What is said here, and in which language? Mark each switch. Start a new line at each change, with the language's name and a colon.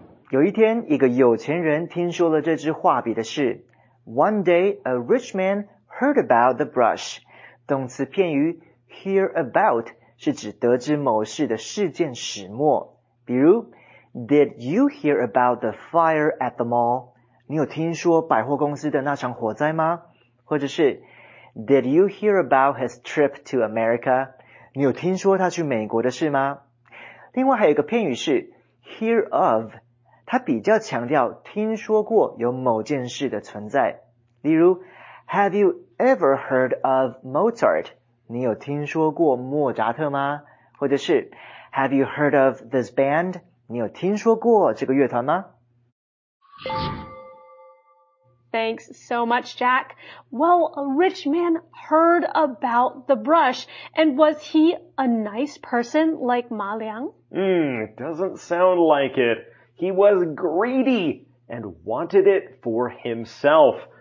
Chinese: 有一天，一个有钱人听说了这支画笔的事。
English: One day, a rich man heard about the brush.
Chinese: 动词片语 hear about 是指得知某事的事件始末。
English: 比如 ,Did you hear about the fire at the mall?
Chinese: 你有听说百货公司的那场火灾吗？
English: 或者是 ,Did you hear about his trip to America?
Chinese: 你有听说他去美国的事吗？另外还有一个片语是 hear of, 它比较强调听说过有某件事的存在。
English: 例如 ,Have you ever heard of Mozart?
Chinese: 你有听说过莫扎特吗？或者是 ,
English: Have you heard of this band?
Chinese: 你有听说过这个乐团吗？
English: Thanks so much, Jack. Well, a rich man heard about the brush. And was he a nice person like Ma Liang? It doesn't sound like it. He was greedy and wanted it for himself.